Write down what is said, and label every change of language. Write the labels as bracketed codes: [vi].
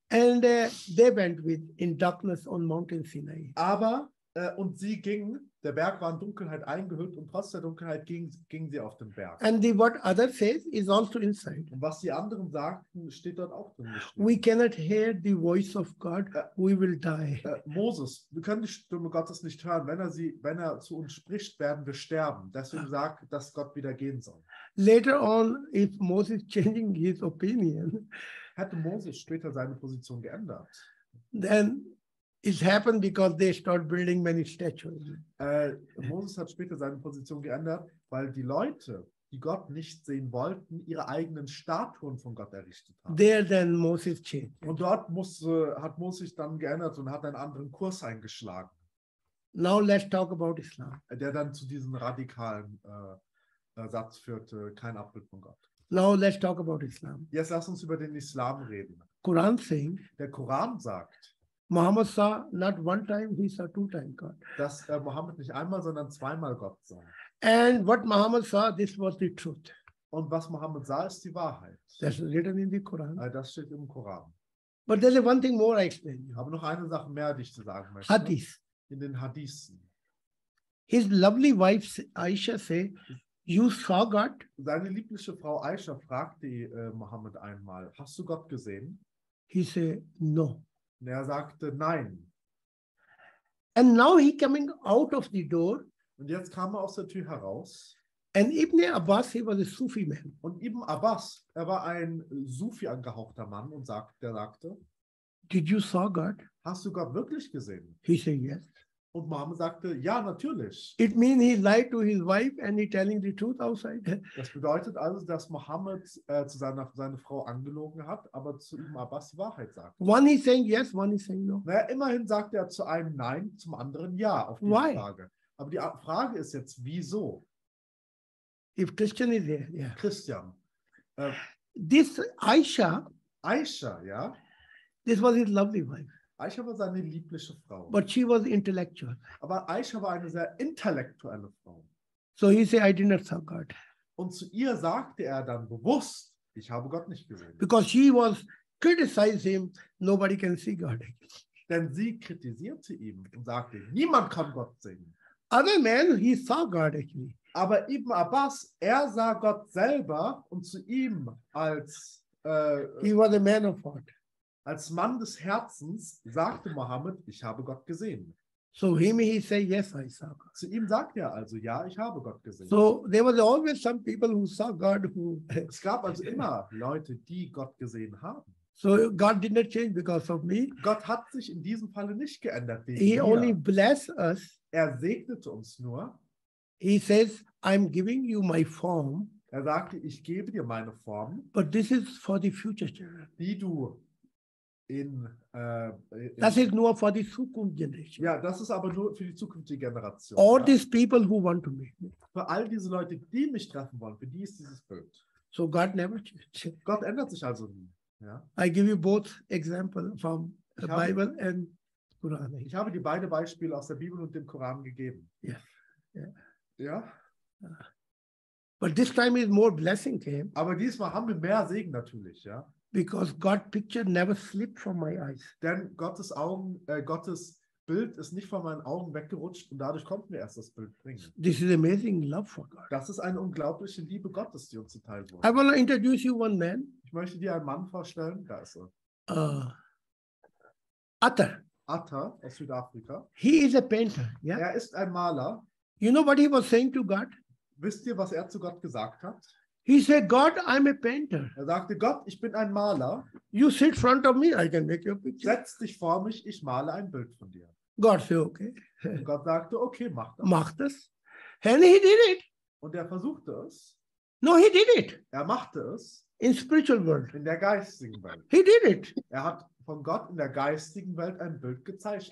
[en] And they went with in darkness on Mount Sinai. [de] Aber und sie gingen, der Berg war in Dunkelheit eingehüllt und trotz der Dunkelheit gingen sie auf den Berg. [en] And what others say is also inside. [de] Und was die anderen sagten, steht dort auch drin. [en] We cannot hear the voice of God, we will die. [de] Moses, wir können die Stimme Gottes nicht hören, wenn er zu uns spricht, werden wir sterben. Deswegen sagt, dass Gott wieder gehen soll. [en] Later on, if Moses changing his opinion, [de] hätte Moses später seine Position geändert, [en] then it happened because they start building many statues. [de] Moses hat später seine Position geändert, weil die Leute die Gott nicht sehen wollten, ihre eigenen Statuen von Gott errichtet haben. [en] There then Moses changed. [de] Und dort hat Moses dann geändert und hat einen anderen Kurs eingeschlagen. [en] Now let's talk about Islam. [de] Der dann zu diesem radikalen Satz führte, kein Abbild von Gott. [en] Now let's talk about Islam. [de] Jetzt lass uns über den Islam reden. [en] Quran saying, [de] der Koran sagt, [en] Muhammad saw not one time, he saw two times God. [de] Dass Muhammad nicht einmal, sondern zweimal Gott sah. [en] And what Muhammad saw, this was the truth. [de] Und was Muhammad sah, ist die Wahrheit. [en] That's written in the Quran. [de] Das steht im Koran. [en] But there's one thing more I explain you. [de] Aber noch eine Sache mehr, die ich zu sagen möchte. Hadith. In den Hadithen. [en] His lovely wife Aisha say, you saw God? [de] Seine liebliche Frau Aisha fragte Muhammad einmal, hast du Gott gesehen? [en] He said, no. [de] Und er sagte, nein. [en] And now he coming out of the door. [de] Und jetzt kam er aus der Tür heraus. [en] And Ibn Abbas, he was a Sufi man. [de] Und Ibn Abbas, er war ein Sufi angehauchter Mann und sagte, [en] did you saw God? [de] Hast du Gott wirklich gesehen? [en] He said, yes. [de] Und Muhammad sagte, ja, natürlich. [en] It means he lied to his wife and he telling the truth outside. [de] Das bedeutet also, dass Muhammad zu seiner Frau angelogen hat, aber zu Ibn Abbas die Wahrheit sagt. [en] One is saying yes, one is saying no. [de] Naja, immerhin sagt er zu einem nein, zum anderen ja auf die Frage. Aber die Frage ist jetzt, wieso? [en] If Christian is there, yeah. Christian. This Aisha. [de] Aisha, ja. [en] This was his lovely wife. [de] Aisha war seine liebliche Frau. [en] But she was intellectual. [de] Aber Aisha war eine sehr intellektuelle Frau. [en] So he said, I did not see God. [de] Und zu ihr sagte er dann bewusst, ich habe Gott nicht gesehen. [en] Because she was criticizing him, nobody can see God. [de] Denn sie kritisierte ihn und sagte, niemand kann Gott sehen. [en] Other man, he saw God actually. [de] Aber Ibn Abbas, er sah Gott selber und zu ihm als [en] he was a man of heart. [de] Als Mann des Herzens sagte Mohammed, ich habe Gott gesehen. [en] So him he say yes, I saw God. [de] Zu ihm sagt er also, ja, ich habe Gott gesehen. [en] So there was always some people who saw God who. [de] Es gab also immer Leute, die Gott gesehen haben. [en] So God did not change because of me. [de] Gott hat sich in diesem Falle nicht geändert wegen [en] mir. He only blessed us. [de] Er segnete uns nur. [en] He says, I'm giving you my form. [de] Er sagte, ich gebe dir meine Form. [en] But this is for the future generation. [de] Die du in das ist nur für die zukünftige Generation. Ja, das ist aber nur für die zukünftige Generation. [en] All [de] ja. [en] These people who want to meet me. [de] Für all diese Leute, die mich treffen wollen, für die ist dieses Bild. [en] So God never changed. [de] Gott ändert sich also nie. Ja. [en] I give you both examples from the Bible and Quran. [de] Ich habe dir beide Beispiele aus der Bibel und dem Koran gegeben. [en] Yeah. But this time is more blessing came. [de] Aber diesmal haben wir mehr Segen natürlich, ja. [en] Because God's picture never slipped from my eyes. [de] Denn Gottes Augen, Gottes Bild ist nicht von meinen Augen weggerutscht und dadurch konnten wir erst das Bild bringen. [en] This is amazing love for God. [de] Das ist eine unglaubliche Liebe Gottes, die uns zuteil wurde. [en] I want to introduce you one man. [de] Ich möchte dir einen Mann vorstellen. Da ist er. Atta. Atta aus Südafrika. [en] He is a painter. Yeah? [de] Er ist ein Maler. [en] You know what he was saying to God? [de] Wisst ihr, was er zu Gott gesagt hat? [en] He said, God, I'm a painter. [de] Er sagte, Gott, ich bin ein Maler. [en] You sit front of me, I can make your picture. [de] Setz dich vor mich, ich male ein Bild von dir. [en] God said, okay. [de] Gott sagte, okay, mach das. Mach das. [en] And he did it. [de] Und er versuchte es. [en] No, he did it. [de] Er machte es. [en] In spiritual world. [de] In der geistigen Welt. [en] He did it. [de] Er hat von Gott in der geistigen Welt ein Bild gezeichnet.